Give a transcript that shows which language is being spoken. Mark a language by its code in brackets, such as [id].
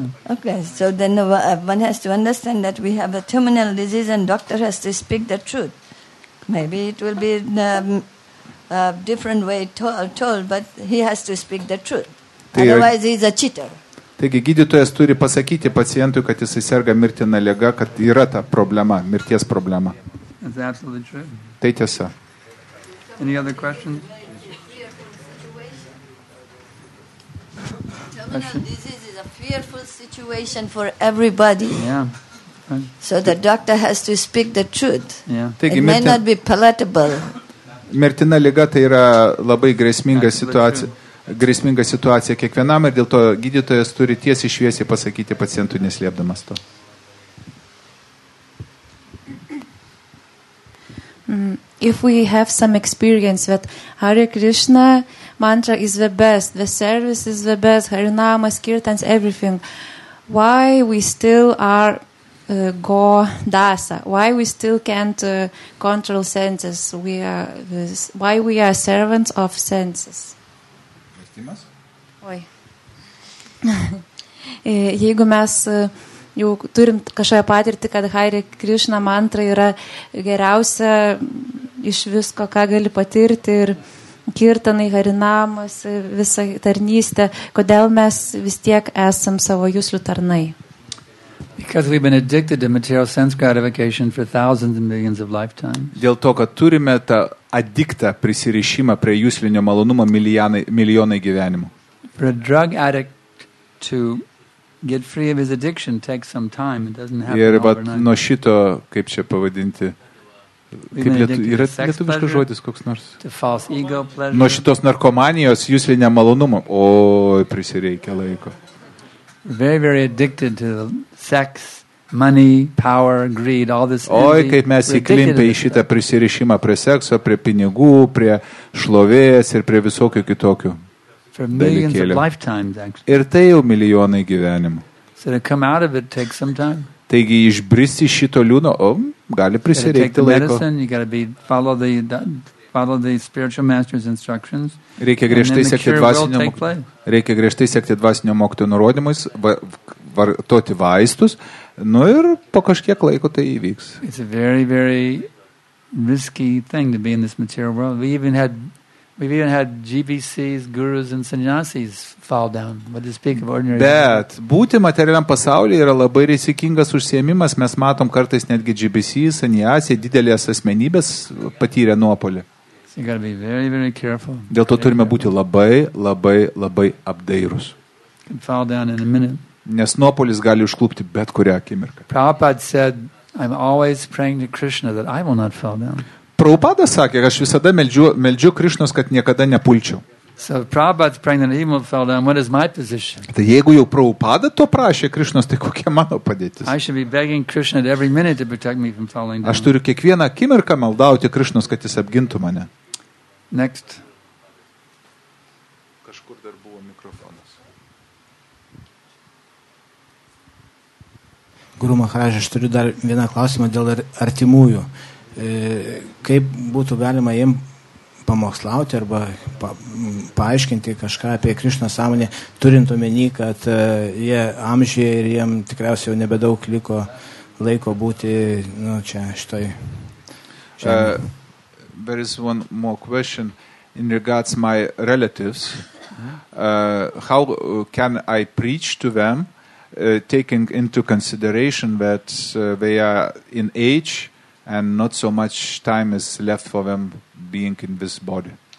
[en] Okay, so then one has to understand that we have a terminal disease and doctor has to speak the truth. Maybe it will be a different way told, but he has to speak the truth. Otherwise, he's a cheater. [lt] Taigi, gydytojas turi pasakyti pacientui, kad jisai serga mirtina liga, kad yra ta problema, mirties problema. [en] That's absolutely true. [lt] Tai tiesa. [en] Any other questions? Terminal disease is a fearful situation for everybody. Yeah. So the doctor has to speak the truth. Yeah. It may not be palatable. [lt] mirtina liga tai yra labai grėsminga situacija. Grėsminga situacija kiekvienam ir dėl to gydytojas turi tiesiai šviesiai pasakyti pacientui neslėpdamas to. [en] If we have some experience that Hare Krishna mantra is the best, the service is the best, Harinama, Kirtans, everything, why we still are go dasa? Why we still can't control senses? We are this, why we are servants of senses? Oi. [lt] Jeigu mes jau turim kažką patirti, kad Hare Krishna mantra yra geriausia iš visko, ką gali patirti ir kirtanai, harinamas, visa tarnystė, kodėl mes vis tiek esam savo juslių tarnai? [en] Because we've been addicted to material sense gratification for thousands and millions of lifetimes. [lt] Dėl to, kad turime tą addiktą prisirišimą prie juslinio malonumo milijonai gyvenimų. [en] For a drug addict to get free of his addiction takes some time. It doesn't happen [lt] ir [en] overnight. [lt] Nuo šito, kaip čia pavadinti, kaip yra lietuviškas žodis koks nors. [en] To false ego pleasure. [lt] Nuo šitos narkomanijos juslinio malonumo. O, prisireikia laiko. [en] Very, very addicted to sex, money, power, greed, all this. [lt] Oi, kaip mes įklimpę į šitą prisirišimą prie sekso, prie pinigų, prie šlovės ir prie visokio kitokio dalykėlio. Ir tai jau milijonai gyvenimų. [en] So to come out of it takes some time. [lt] Taigi išbristi šito liūno, gali prisireikti laiko. [en] Follow the spiritual master's instructions. [lt] Reikia griežtai sekti dvasinio mokytojo nurodymus, vartoti vaistus, nu ir po kažkiek laiko tai įvyks. [en] It's a very, very risky thing to be in this material world. We've even had GVCs, gurus and sannyasis fall down. But to speak of ordinary. [lt] Bet būti materialiam pasaulyje yra labai rizikingas užsiėmimas. Mes matom kartais netgi GVCs, sannyasis, didelės asmenybės patyrė nuopolį. [en] You got to be very, very careful. [lt] Dėl to turime būti labai, labai, labai apdairus. [en] Can fall down in a minute. [lt] Nes nuopolis gali užklupti bet kurią akimirką. [en] Prabhupada said, I'm always praying to Krishna that I will not fall down. [lt] Prabhupada sakė, aš visada meldžiu Krishnos, kad niekada nepulčiau. [en] So Prabhupada's praying that he will fall down. What is my position? [lt] Tai jeigu jau Prabhupada to prašė Krishnos, tai kokia mano padėtis? [en] I should be begging Krishna at every minute to protect me from falling down. [lt] Aš turiu kiekvieną akimirką maldauti Krishnos, kad jis apgintų mane. [en] Next. [lt] Kažkur dar buvo mikrofonas. Guru Maharaj, aš turiu dar vieną klausimą dėl artimųjų. Kaip būtų galima jiem pamokslauti arba paaiškinti kažką apie Krišnos sąmonę, turint omeny, kad jie amžiai ir jiem tikriausiai jau nebedaug liko laiko būti, nu, čia štai. [en] There is one more question in regards my relatives. How can I preach to them, taking into consideration that they are in age and not so much time is left for them being in this body.